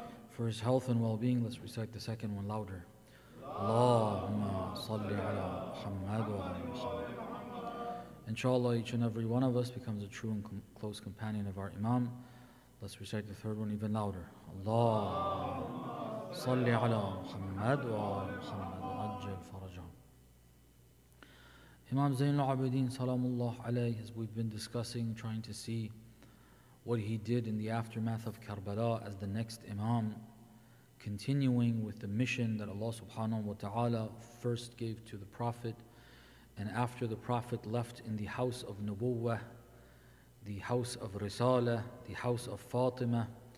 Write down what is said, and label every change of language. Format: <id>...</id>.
<en>For his health and well-being, let's recite the second one louder.</en> <ar>اللهم صل على محمد وعلى آل محمد.</ar> <en>Inshallah, each and every one of us becomes a true and close companion of our Imam. Let's recite the third one even louder.</en> <ar>اللهم صل على محمد وعلى محمد وعجل فرجه.</ar> <en>Imam Zainul Abidin Salam Allah Alayh, as we've been discussing, trying to see what he did in the aftermath of Karbala as the next Imam, continuing with the mission that Allah subhanahu wa ta'ala first gave to the Prophet, and after the Prophet left in the house of Nubuwwah, the house of Risala, the house of Fatima,</en>